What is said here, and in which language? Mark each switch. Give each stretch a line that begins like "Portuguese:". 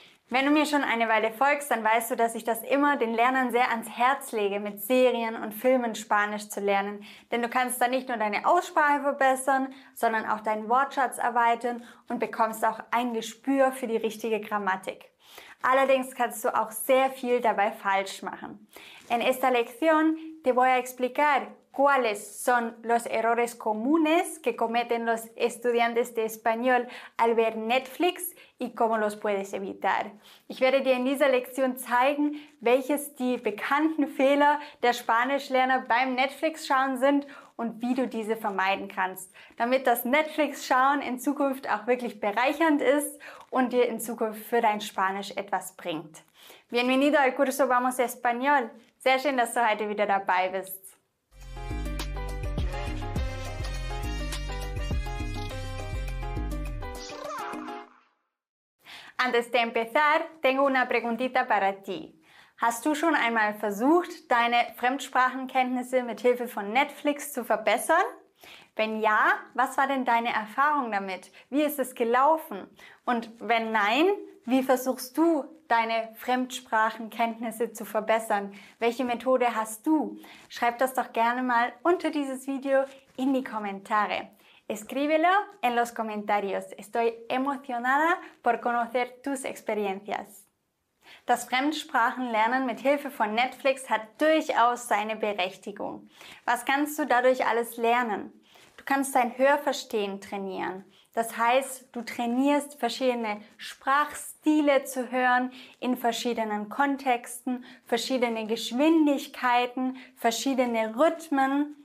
German: Wenn du mir schon eine Weile folgst, dann weißt du, dass ich das immer den Lernern sehr ans Herz lege, mit Serien und Filmen Spanisch zu lernen. Denn du kannst da nicht nur deine Aussprache verbessern, sondern auch deinen Wortschatz erweitern und bekommst auch ein Gespür für die richtige Grammatik. Allerdings kannst du auch sehr viel dabei falsch machen.
Spanish: En esta lección te voy a explicar cuáles son los errores comunes que cometen los estudiantes de español al ver Netflix y cómo los puedes evitar.
German: Ich werde dir in dieser Lektion zeigen, welches die bekannten Fehler der Spanischlerner beim Netflix-Schauen sind und wie du diese vermeiden kannst, damit das Netflix-Schauen in Zukunft auch wirklich bereichernd ist und dir in Zukunft für dein Spanisch etwas bringt.
Spanish: Bienvenido al curso Vamos Español.
German: Sehr schön, dass du heute wieder dabei bist.
Spanish: Antes de empezar, tengo una preguntita para ti.
German: Hast du schon einmal versucht, deine Fremdsprachenkenntnisse mit Hilfe von Netflix zu verbessern? Wenn ja, was war denn deine Erfahrung damit? Wie ist es gelaufen? Und wenn nein, wie versuchst du, deine Fremdsprachenkenntnisse zu verbessern? Welche Methode hast du? Schreib das doch gerne mal unter dieses Video in die Kommentare.
Spanish: Escríbelo en los comentarios. Estoy emocionada por conocer tus experiencias.
German: Das Fremdsprachenlernen mit Hilfe von Netflix hat durchaus seine Berechtigung. Was kannst du dadurch alles lernen? Du kannst dein Hörverstehen trainieren. Das heißt, du trainierst, verschiedene Sprachstile zu hören, in verschiedenen Kontexten, verschiedene Geschwindigkeiten, verschiedene Rhythmen.